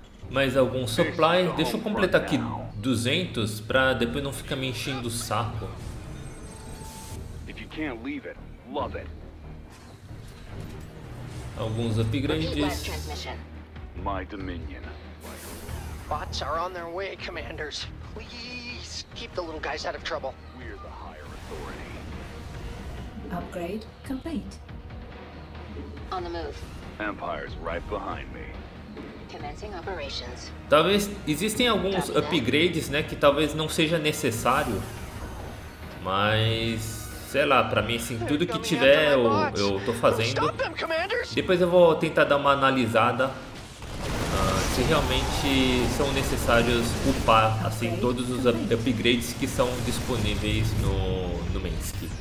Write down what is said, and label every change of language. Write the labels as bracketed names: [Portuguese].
[Portuguese] Mais algum supply? Deixa eu completar aqui 200 pra depois não ficar me enchendo o saco. [English] If you can't leave it, love it. [Portuguese] Alguns upgrades. [English] My dominion. Bots are on their way, commanders. Please keep the little guys out of trouble. We're the higher authority. Upgrade complete. On the move. Empire's right behind me. Commencing operations. [Portuguese] Talvez existem alguns upgrades, né, que talvez não seja necessário. Mas sei lá, pra mim assim, tudo que tiver eu tô fazendo. Depois eu vou tentar dar uma analisada se realmente são necessários upar assim todos os upgrades que são disponíveis no Mainsk.